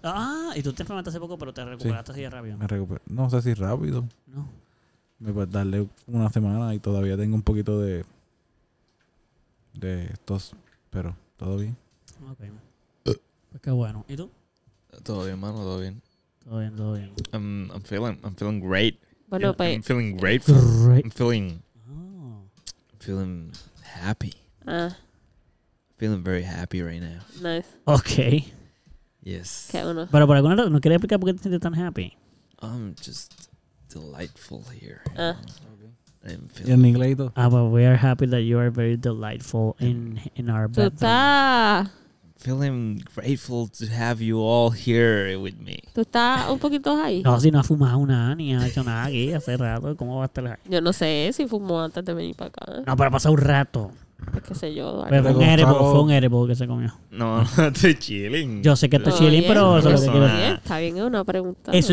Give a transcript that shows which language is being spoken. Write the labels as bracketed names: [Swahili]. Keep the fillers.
[Spanish] Ah, y tú te enfermaste hace poco, pero te recuperaste así de rápido. Me recuperé. No sé si rápido. No. Me a darle una semana y todavía tengo un poquito de. de tos, pero todo bien. Ok. Pues qué bueno. ¿Y tú? Todo bien, mano, todo bien. Todo bien, todo bien. [English] I'm, I'm, feeling, I'm feeling great. Yeah, I'm, I'm, feeling right. I'm feeling great. I'm feeling. I'm feeling happy. Ah. Uh. Feeling very happy right now. Nice. Okay. Yes. [Spanish] Qué bueno. Pero por alguna razón, no quería explicar por qué te sientes tan happy. [English] I'm um, just delightful here. Ah. Uh. Okay. I'm feeling. ah, but we are happy that you are very delightful in, in our bedroom. Tuta. feeling grateful to have you all here with me. [Spanish] ¿Tú estás un poquito ahí? No, si no ha fumado nada ni ha hecho nada aquí hace rato, ¿cómo va a estar ahí? Yo no sé si fumó antes de venir para acá. No, para pasar un rato. ¿Qué sé yo? Pero fue un erebo, que se comió. No, estoy chilling. Yo sé que estoy no, chilling, pero eso es lo que quiero decir. Está bien, es una pregunta. Eso